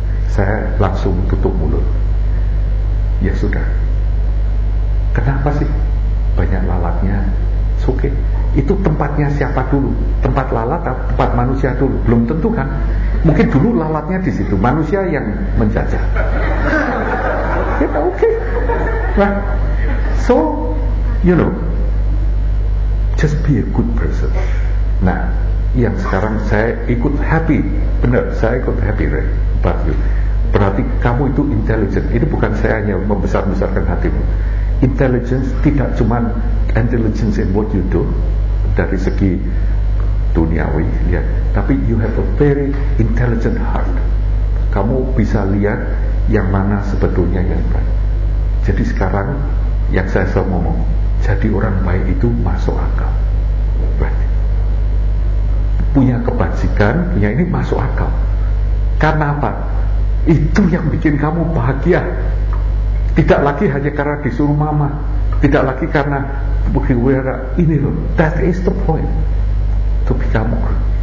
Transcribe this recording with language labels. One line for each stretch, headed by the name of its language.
Indonesian: Saya langsung tutup mulut. Ya sudah. Kenapa sih banyak lalatnya? Oke, itu tempatnya siapa dulu? Tempat lalat atau tempat manusia dulu? Belum tentu kan? Mungkin dulu lalatnya di situ, manusia yang menjajah. Ya, oke. Okay.
English: Nah, so, you know, just be a good person.
Indonesian: Nah, yang sekarang saya ikut happy, benar, saya ikut happy, right?
English: But you,
Indonesian: berarti kamu itu intelligent. Ini bukan saya hanya membesar-besarkan hatimu.
English: Intelligence
Indonesian: tidak cuma
English: intelligence in what you do
Indonesian: dari segi duniawi, ya, tapi
English: you have a very intelligent heart.
Indonesian: Kamu bisa lihat yang mana sebetulnya yang baik. Jadi sekarang yang saya selalu ngomong, jadi orang baik itu masuk akal. Berarti punya kebajikan, punya ini masuk akal. Karena apa? Itu yang bikin kamu bahagia. Tidak lagi hanya karena disuruh mama, tidak lagi karena berkhidmat ini loh.
English: That is the point to become good.